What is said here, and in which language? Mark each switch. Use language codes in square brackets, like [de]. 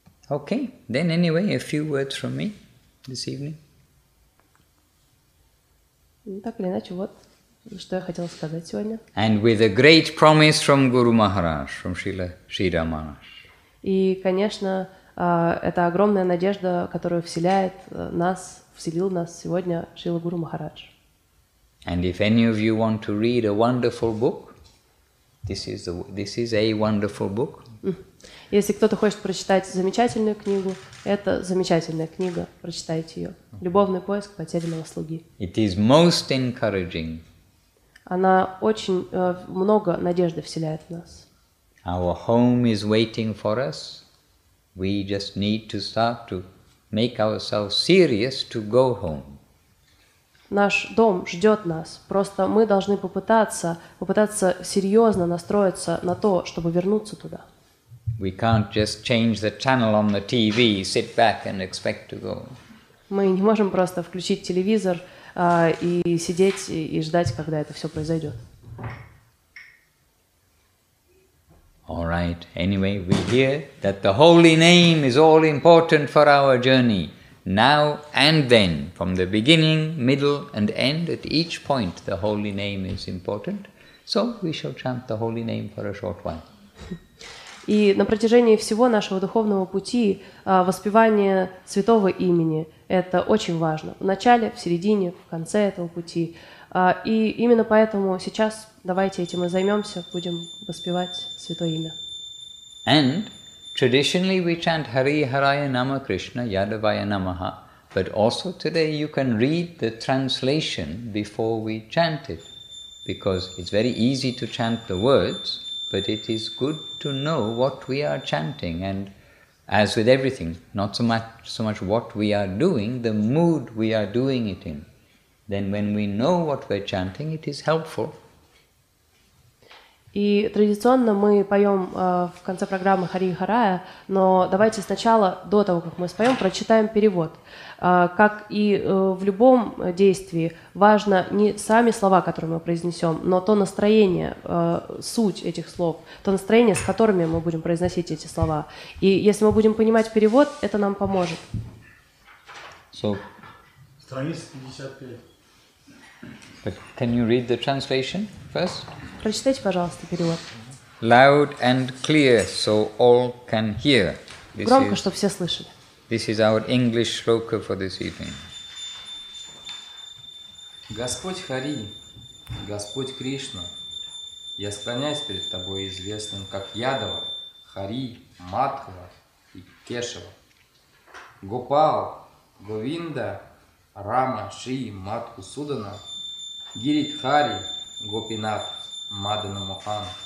[en] Okay, then anyway, a few words from me this evening. [ru] Так или иначе, вот что я хотела сказать сегодня. [en] And with a great promise from Guru Maharaj, from Srila Sridhar Maharaj. [ru] И, конечно, это огромная надежда, которую вселяет нас, вселил нас сегодня Шрила Гуру Махарадж. [en] And if any of you want to read a wonderful book, this is a wonderful book. [ru] Если кто-то хочет прочитать замечательную книгу, это замечательная книга, прочитайте ее. «Любовный поиск потерянного слуги». [en] It is most encouraging. [ru] Она очень много надежды вселяет в нас. [en] Our home is waiting for us. We just need to start to make ourselves serious to go home. [ru] Наш дом ждет нас. Просто мы должны попытаться серьезно настроиться на то, чтобы вернуться туда. [en] We can't just change the channel on the TV, sit back and expect to go. [ru] Мы не можем просто включить телевизор и сидеть и ждать, когда это все произойдет. [en] All right. Anyway, we hear that the holy name is all important for our journey, now and then, from the beginning, middle and end. At each point, the holy name is important. So we shall chant the holy name for a short while. [ru] И на протяжении всего нашего духовного пути воспевание святого имени – это очень важно. В начале, в середине, в конце этого пути. И именно поэтому сейчас давайте этим и займемся, будем воспевать святое имя. [en] And traditionally we chant Hari Haraya Nama Krishna Yadavaya Namaha. But also today you can read the translation before we chant it. Because it's very easy to chant the words. But it is good to know what we are chanting, and as with everything, not so much what we are doing, the mood we are doing it in. Then when we know what we're chanting, it is helpful. [ru] И традиционно мы поем в конце программы Хари Харая, но давайте сначала, до того, как мы споем, прочитаем перевод. Как и в любом действии, важно не сами слова, которые мы произнесем, но то настроение, суть этих слов, то настроение, с которыми мы будем произносить эти слова. И если мы будем понимать перевод, это нам поможет. [en] So, [ru] страница 55. [en] Can you read the translation first? [ru] Прочитайте, пожалуйста, перевод. [en] Loud and clear, so all can hear. [ru] Громко, чтобы все слышали. [en] This is our English shloka for this evening. [ru] Господь Хари, Господь Кришна, я склоняюсь перед Тобой известным как Ядава, Хари, Мадхава и Кешава, Гопал, Говинда, Рама, Шри, Матху Судана, Гирит Хари, Гопинат, Мадана Мохан.